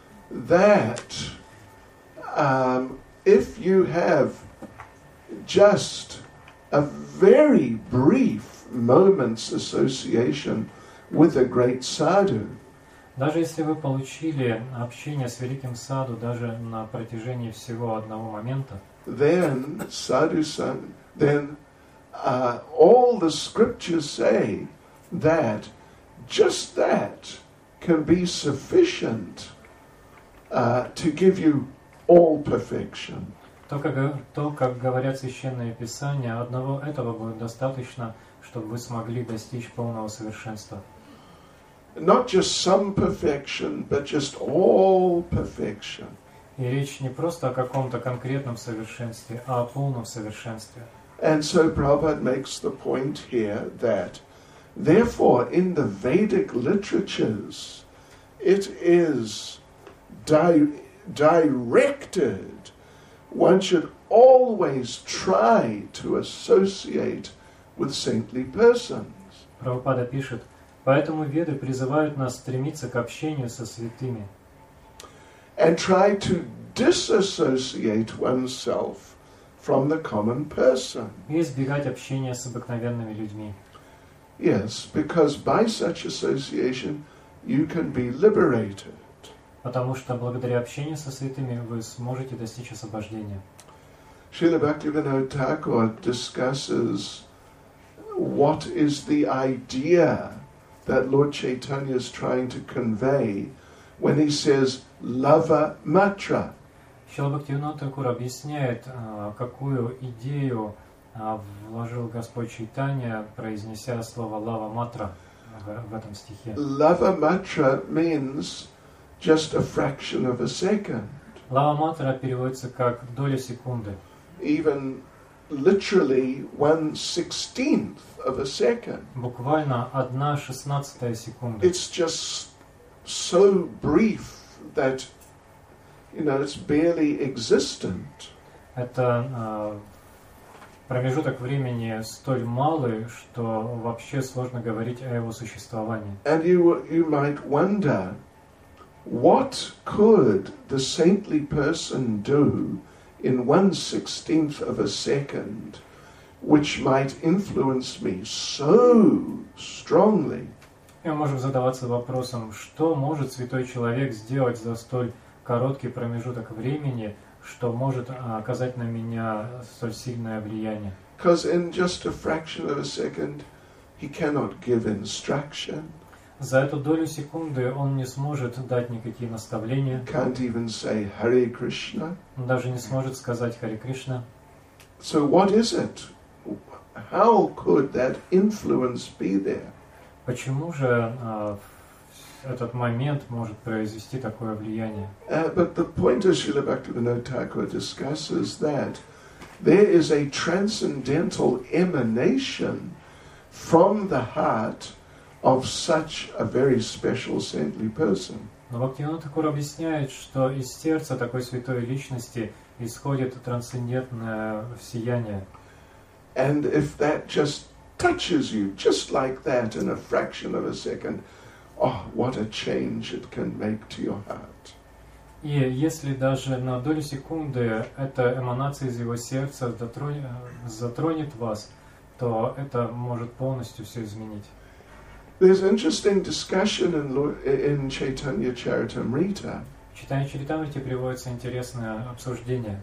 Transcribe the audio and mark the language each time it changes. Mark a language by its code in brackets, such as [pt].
[en] That if you have just a very brief moment's association with a great sadhu, [ru] даже если вы получили общение с великим саду даже на протяжении всего одного момента, [en] then sadhusanga, then all the scriptures say that just that can be sufficient to give you all perfection. [ru] То как говорят священные писания, одного этого будет достаточно, чтобы вы смогли достичь полного совершенства. [en] Not just some perfection, but just all perfection. [ru] И речь не просто о каком-то конкретном совершенстве, а о полном совершенстве. [en] And so Prabhupada makes the point here that Therefore, in the Vedic literatures, it is directed. One should always try to associate with saintly persons. [ru] Prabhupada пишет, поэтому веды призывают нас стремиться к общению со святыми. [en] And try to disassociate oneself from the common person. [ru] И избегать общения с обыкновенными людьми. [en] Yes, because by such association you can be liberated. [ru] Потому что благодаря общению со святыми вы сможете достичь освобождения. [en] Srila Bhaktivinoda Thakur discusses what is the idea that Lord Chaitanya is trying to convey when he says lava matra. [ru] Srila Bhaktivinoda Thakur объясняет, какую идею вложил Господь Чайтанья, произнеся слово «лава матра» в этом стихе. [en] Lava matra means just a fraction of a second. [ru] Lava matra переводится как доля секунды. [en] Even literally 1/16 of a second. [ru] Буквально 1/16 секунды. [en] It's just so brief that, you know, it's barely existent. [ru] Это промежуток времени столь малый, что вообще сложно говорить о его существовании. [en] And you might wonder, what could the saintly person do in 1/16 of a second, which might influence me so strongly. [ru] Мы можем задаваться вопросом, что может святой человек сделать за столь короткий промежуток времени, что может оказать на меня столь сильное влияние? [en] Because in just a fraction of a second, he cannot give instruction. [ru] За эту долю секунды он не сможет дать никакие наставления. [en] Can't even say Hare Krishna. [ru] Он даже не сможет сказать Hare Krishna. [en] So what is it? How could that influence be there? [ru] Почему же этот момент может произвести такое влияние? [en] But the point is, Srila Bhaktivinoda Thakur discusses that there is a transcendental emanation from the heart of such a very special saintly person. [ru] Но Бхактивинода Такур объясняет, что из сердца такой святой личности исходит трансцендентное сияние. [en] And if that just touches you, just like that, in a fraction of a second, oh, what a change it can make to your heart. [ru] И если даже на долю секунды эта эманация из его сердца затронет вас, то это может полностью все изменить. [en] There's interesting discussion in Chaitanya Charitamrita. [ru] В Чайтанья Чаритамрите приводится интересное обсуждение.